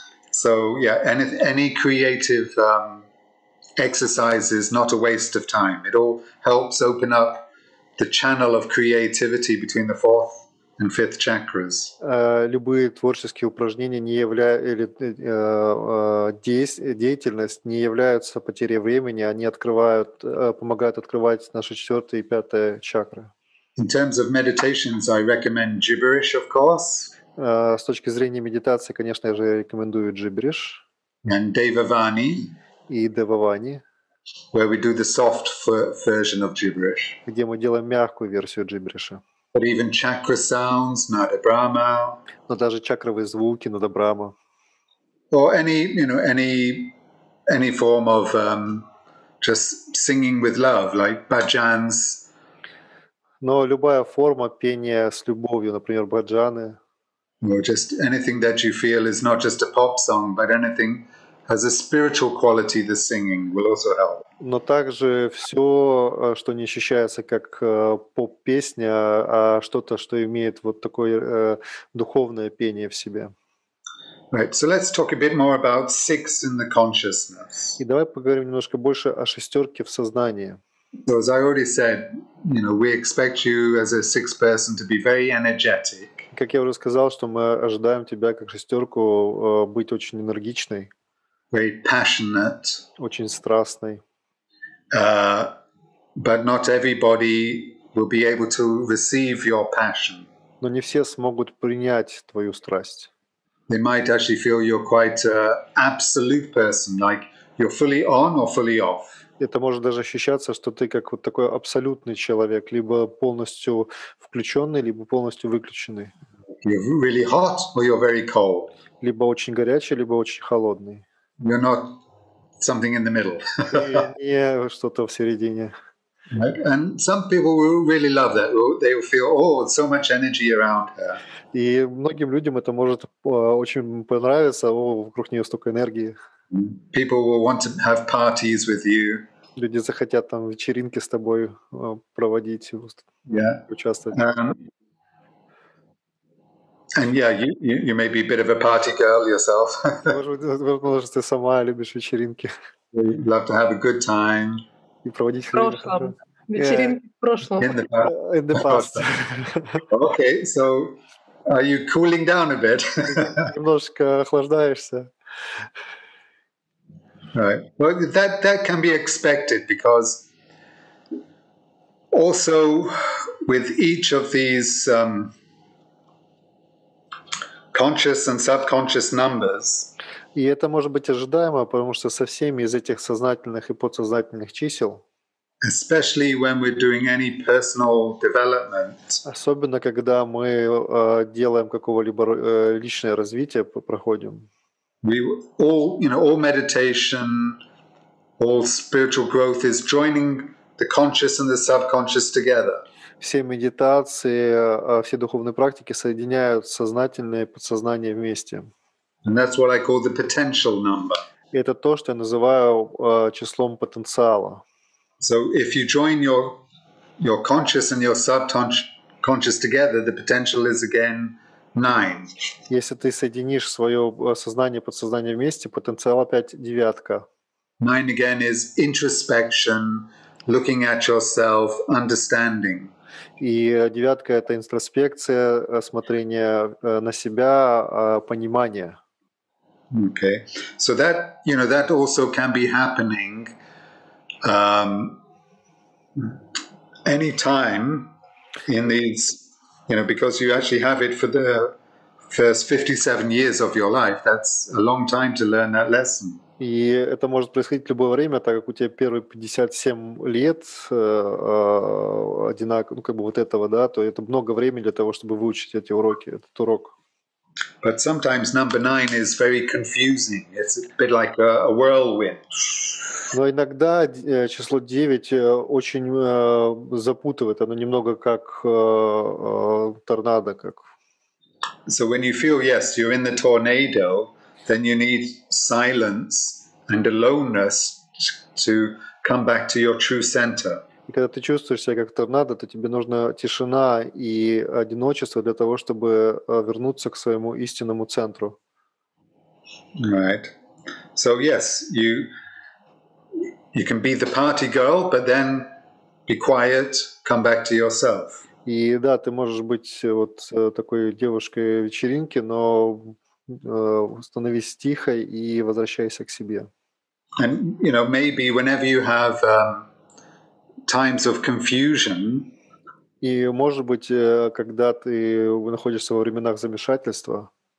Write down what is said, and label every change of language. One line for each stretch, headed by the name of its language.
English: So, yeah, any creative exercises, not a waste of time. It all helps open up the channel of creativity between the fourth and fifth chakras.
Russian: Любые творческие упражнения не деятельность не являются потерей времени, они открывают, помогают открывать наши четвёртые и пятые чакры.
English: In terms of meditations, I recommend gibberish, of course.
Russian: С точки зрения медитации, конечно, я же рекомендую джибриш.
English: And Devavani.
Russian: И Девавани.
English: Where we do the soft version of gibberish.
Russian: Где мы делаем мягкую версию джибриша.
English: But even chakra sounds, Nada Brahma.
Russian: Но даже чакровые звуки, Nada Brahma.
English: Or any form of just singing with love, like bhajans.
Russian: Но любая форма пения с любовью, например, бхаджаны.
English: Or just anything that you feel is not just a pop song, but anything has a spiritual quality. The singing will also help.
Russian: Но также все, что не ощущается как поп-песня, а что-то, что имеет вот такое духовное пение в себе.
English: Right, so let's talk a bit more about six in the consciousness.
Russian: И давай поговорим немножко больше о шестерке в сознании.
English: So as I already said, we expect you as a sixth person to be very energetic.
Russian: Как я уже сказал, что мы ожидаем тебя как шестерку быть очень энергичной.
English: Very passionate.
Russian: Очень страстной.
English: But not everybody will be able to receive your passion.
Russian: Но не все смогут принять твою страсть.
English: They might actually feel you're quite an absolute person, like you're fully on or fully off.
Russian: Это может даже ощущаться, что ты как вот такой абсолютный человек, либо полностью включенный, либо полностью выключенный.
English: You're really hot or you're very cold.
Russian: Либо очень горячий, либо очень холодный.
English: You're not something in the middle.
Russian: Не что-то в середине.
English: And some people will really love that. They will feel, oh, so much energy around her.
Russian: И многим людям это может очень понравиться, вокруг нее столько энергии.
English: People will want to have parties with you.
Russian: Люди захотят там вечеринки с тобой проводить, участвовать.
English: And yeah, you may be a bit of a party girl yourself.
Russian: Может, ты сама любишь вечеринки.
English: Love to have a good time.
Russian: И проводить время. Вечеринки в прошлом.
English: In the past. Okay, so are you cooling down a bit?
Russian: Немножко охлаждаешься.
English: Right. Well, that can be expected because also with each of these conscious and subconscious numbers.
Russian: И это может быть ожидаемо, потому что со всеми из этих сознательных и подсознательных чисел,
English: especially when we're doing any personal development,
Russian: особенно когда мы делаем какого-либо личное развитие, проходим,
English: we all, you know, all meditation, all spiritual growth is joining the conscious and the subconscious together.
Russian: Все медитации, все духовные практики соединяют сознательное и подсознание вместе.
English: And that's what I call the potential number.
Russian: И это то, что я называю числом потенциала.
English: So if you join your conscious and your subconscious together, the potential is again 9.
Russian: Если ты соединишь свое сознание и подсознание вместе, потенциал опять девятка.
English: 9 again is introspection, looking at yourself, understanding.
Russian: И девятка — это интроспекция, смотрение на себя, понимание.
English: Okay. So that, you know, that also can be happening any time in these, you know, because you actually have it for the first 57 years of your life. That's a long time to learn that lesson.
Russian: И это может происходить в любое время, так как у тебя первые 57 лет одинаково, ну как бы вот этого, да, то это много времени для того, чтобы выучить эти уроки, этот урок.
English: But sometimes number 9 is very confusing. It's a bit like a whirlwind.
Russian: Но иногда число 9 очень запутывает, оно немного как торнадо, как.
English: So when you feel yes, you're in the tornado, then you need silence and aloneness to come back to your true center.
Russian: И когда ты чувствуешь себя как торнадо, то тебе нужна тишина и одиночество для того, чтобы вернуться к своему истинному центру.
English: Right. So yes, you can be the party girl, but then be quiet, come back to yourself.
Russian: И да, ты можешь быть вот такой девушкой вечеринки, но становись тихой и возвращайся к себе.
English: And you know, maybe whenever you have times of confusion,
Russian: и может быть, когда ты находишься во временах замешательства,